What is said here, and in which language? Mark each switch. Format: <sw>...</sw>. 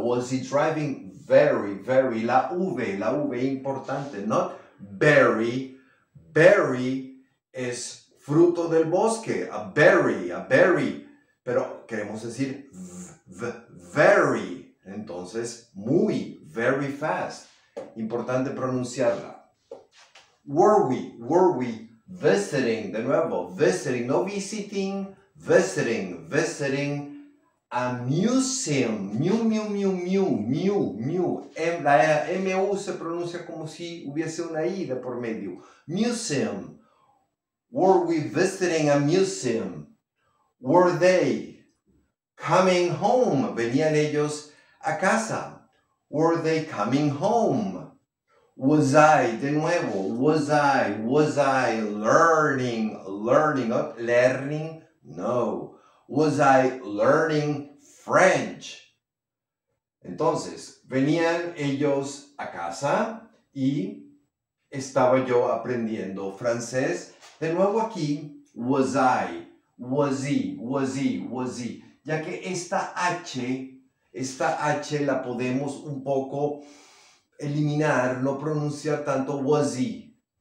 <en>Was he driving very, very,</en> <es>la V importante,</es> <en>not very.</en> <es>Berry es fruto del bosque, a berry, pero queremos decir very, entonces muy, very fast. Importante pronunciarla.</es> <en>Were we visiting,</en> <es>de nuevo, visiting, no visiting,</es> <en>visiting a museum,</en> <es>M-U se pronuncia como si hubiese una I de por medio. Museum.</es> <en>Were we visiting a museum? Were they coming home?</en> <es>Venían ellos a casa.</es> <en>Were they coming home? Was I,</en> <es>de nuevo,</es> <en>was I learning, not learning, no. Was I learning French?</en> <es>Entonces, venían ellos a casa y estaba yo aprendiendo francés. De nuevo aquí,</es> <en>was he.</en> <es>Ya que esta H la podemos un poco eliminar, no pronunciar tanto was he.</es>